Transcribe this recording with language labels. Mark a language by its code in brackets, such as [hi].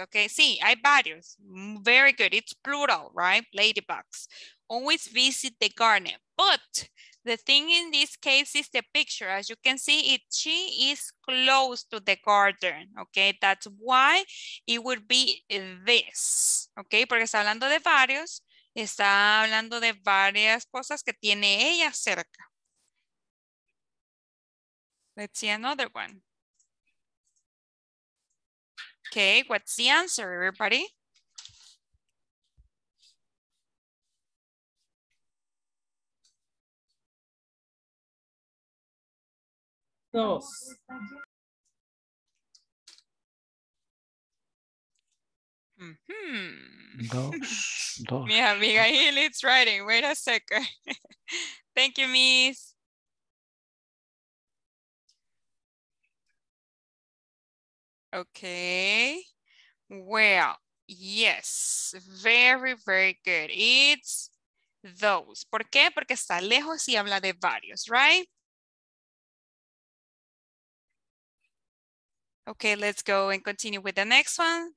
[en] Okay, [es] sí, hay varios. [en] Very good. It's plural, right? Ladybugs. Always visit the garden. But the thing in this case is the picture. As you can see, she is close to the garden, okay? That's why it would be this, okay? [es] Porque está hablando de varios, está hablando de varias cosas que tiene ella cerca. [en] Let's see another one. Okay, what's the answer, everybody? [es] Dos. Mm-hmm. Dos. Mi amiga [en] Hill, it's writing. Wait a second. Thank you, Miss. Okay. Well, yes. Very, very good. It's those. [es] ¿Por qué? Porque está lejos y habla de varios, right? [en] Okay, let's go and continue with the next one.